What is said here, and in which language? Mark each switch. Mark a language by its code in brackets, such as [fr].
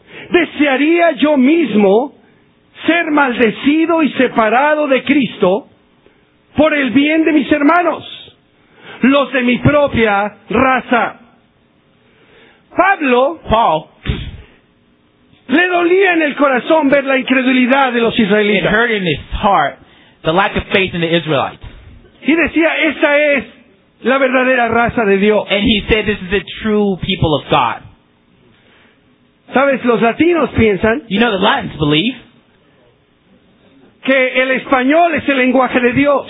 [es] Desearía yo mismo ser maldecido y separado de Cristo por el bien de mis hermanos, los de mi propia raza. Pablo, [en] Paul, [es] le dolía en el corazón ver la incredulidad de los israelitas. [en] It hurt in his heart the lack of faith in the Israelites. [es] Y decía, esa es la verdadera raza de Dios. [en] And he said, this is the true people of God. [es] ¿Sabes? Los latinos piensan. [en] You know, the Latins believe. [es] Que el español es el lenguaje de Dios.